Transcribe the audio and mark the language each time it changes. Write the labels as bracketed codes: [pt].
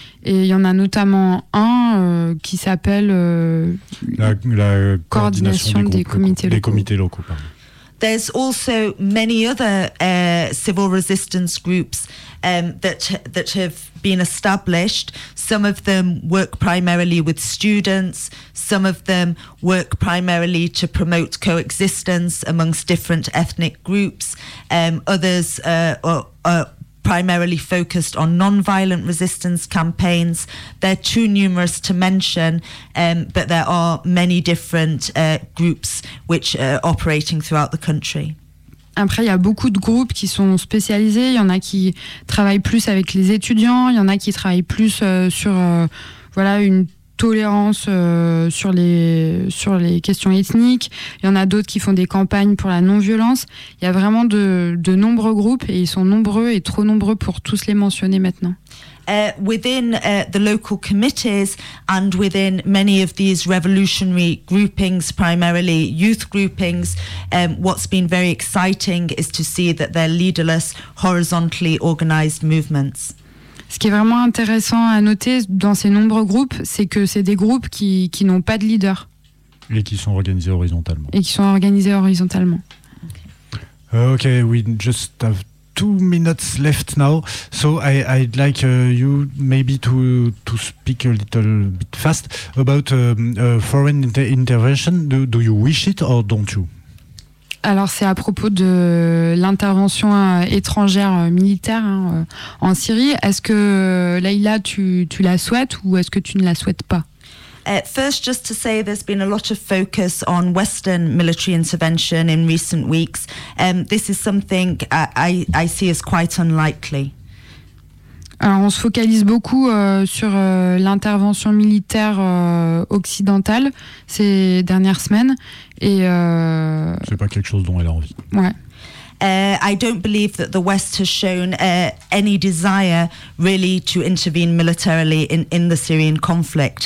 [fr] Et il y en a notamment un qui s'appelle la coordination des comités locaux. Des comités locaux, pardon. [en] There's also many other civil resistance groups that have been established. Some of them work primarily with students. Some of them work primarily to promote coexistence amongst different ethnic groups. Others are primarily focused on non-violent resistance campaigns. They're too numerous to mention, but there are many different groups which are operating throughout the country. [fr] Après, il y a beaucoup de groupes qui sont spécialisés. Il y en a qui travaillent plus avec les étudiants. Il y en a qui travaillent plus une tolérance sur les questions ethniques. Il y en a d'autres qui font des campagnes pour la non-violence. Il y a vraiment de nombreux groupes, et ils sont nombreux et trop nombreux pour tous les mentionner maintenant. [en] Within the local committees and within many of these revolutionary groupings, primarily youth groupings, what's been very exciting is to see that they're leaderless, horizontally organized movements. [fr] Ce qui est vraiment intéressant à noter dans ces nombreux groupes, c'est que c'est des groupes qui n'ont pas de leader. Et qui sont organisés horizontalement. Et qui sont organisés horizontalement. [en] Okay, we just have 2 minutes left now, so I'd like you maybe to speak a little bit fast about foreign intervention. Do you wish it or don't you? [fr] Alors c'est à propos de l'intervention étrangère militaire hein, en Syrie. Est-ce que Leïla, tu la souhaites ou est-ce que tu ne la souhaites pas? [en] At first, just to say there's been a lot of focus on Western military intervention in recent weeks. This is something I see as quite unlikely. [fr] Alors, on se focalise beaucoup sur l'intervention militaire occidentale ces dernières semaines. Et, c'est pas quelque chose dont elle a envie. Ouais. [en] I don't believe that the West has shown any desire really to intervene militarily in the Syrian conflict.